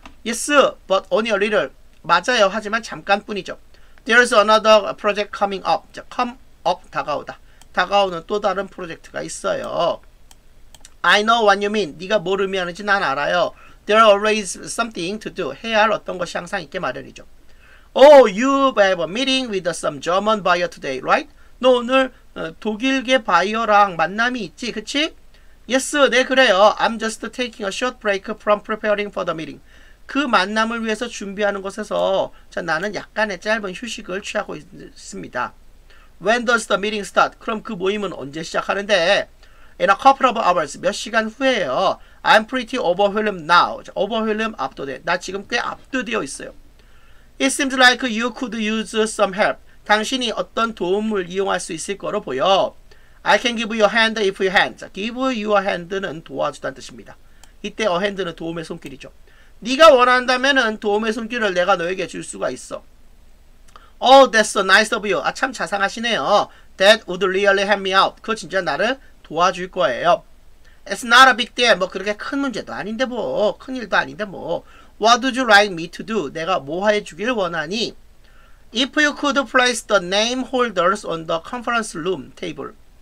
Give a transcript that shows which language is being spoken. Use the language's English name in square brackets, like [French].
[English] Yes, but only a little. [Korean] 맞아요. 하지만 잠깐뿐이죠. [English] There's another project coming up. [Korean] 자, come up, 다가오다. 다가오는 또 다른 프로젝트가 있어요. [English] I know what you mean. [Korean] 네가 뭘 의미하는지 난 알아요. [English] There are always something to do. [Korean] 해야 할 어떤 것이 항상 있게 마련이죠. [English] Oh, you have a meeting with some German buyer today, right? [Korean] 너 오늘 독일계 바이어랑 만남이 있지, 그치? Yes, 네, 그래요. [English] I'm just taking a short break from preparing for the meeting. [Korean] 그 만남을 위해서 준비하는 곳에서 자, 나는 약간의 짧은 휴식을 취하고 있습니다. [English] When does the meeting start? [Korean] 그럼 그 모임은 언제 시작하는데? [English] In a couple of hours, [Korean] 몇 시간 후에요. [English] I'm pretty overwhelmed now. [Korean] 자, overwhelmed, 압도돼. 나 지금 꽤 압도되어 있어요. [English] It seems like you could use some help. [Korean] 당신이 어떤 도움을 이용할 수 있을 거로 보여. [English] I can give you a hand if you hand. [Korean] 자, [English] give you a hand [Korean] 는 도와주다는 뜻입니다. 이때 a hand는 도움의 손길이죠. 네가 원한다면 도움의 손길을 내가 너에게 줄 수가 있어. [English] Oh, that's so nice of you. [Korean] 아, 참 자상하시네요. [English] That would really help me out. [Korean] 그거 진짜 나를 도와줄 거예요. [English] It's not a big deal. [Korean] 뭐 그렇게 큰 문제도 아닌데 뭐. 큰 일도 아닌데 뭐. [English] What would you like me to do? [Korean] 내가 뭐 해주길 원하니? [English] If you could place the name holders on the conference room table.